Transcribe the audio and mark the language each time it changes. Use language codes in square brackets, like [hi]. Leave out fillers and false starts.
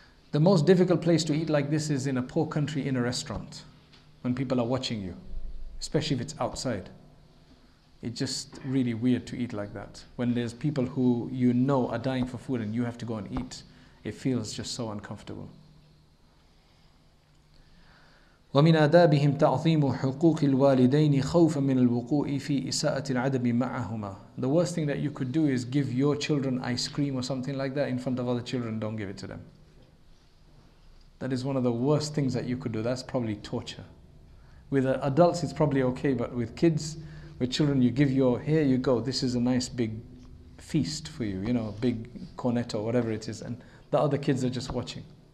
[en] The most difficult place to eat like this is in a poor country in a restaurant, when people are watching you, especially if it's outside. It's just really weird to eat like that. When there's people who you know are dying for food and you have to go and eat, it feels just so uncomfortable. [ar] ومن آدابهم تعظيم حقوق الوالدين خوفا من الوقوع في إساءة العدب معهما. [en] The worst thing that you could do is give your children ice cream or something like that in front of other children. Don't give it to them. That is one of the worst things that you could do. That's probably torture. With adults, it's probably okay, but with kids, with children, you give your, here you go, this is a nice big feast for you, you know, a big cornetto, whatever it is, and the other kids are just watching.